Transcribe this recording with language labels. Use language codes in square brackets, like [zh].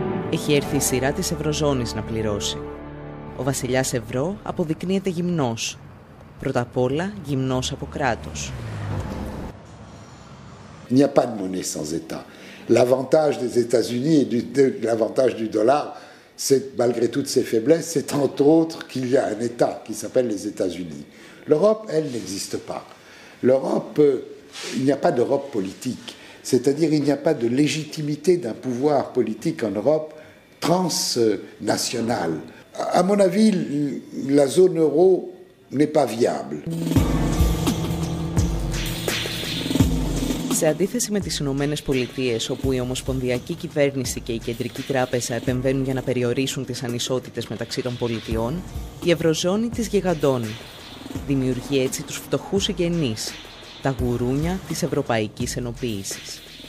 [el] Έχει έρθει η σειρά της Ευρωζώνης να πληρώσει. Ο βασιλιάς Ευρώ αποδεικνύεται γυμνός. Πρώτα απ' όλα γυμνός από κράτος. [fr] Il n'y a pas de monnaie sans état. L'avantage des États-Unis et l'avantage du dollar, c'est, malgré toutes ses faiblesses, c'est entre autres qu'il y a un État qui s'appelle les États-Unis. L'Europe, elle, n'existe pas. L'Europe, il n'y a pas d'Europe politique. C'est-à-dire, il n'y a pas de légitimité d'un pouvoir politique en Europe transnationale. À mon avis, la zone euro n'est pas viable. [el] Σε αντίθεση με τις Ηνωμένες Πολιτείες, όπου η Ομοσπονδιακή Κυβέρνηση και η Κεντρική Τράπεζα επεμβαίνουν για να περιορίσουν τις ανισότητες μεταξύ των πολιτιών, η Ευρωζώνη τις γιγαντώνει. Δημιουργεί έτσι τους φτωχούς συγγενείς, τα γουρούνια της ευρωπαϊκής ενοποίησης.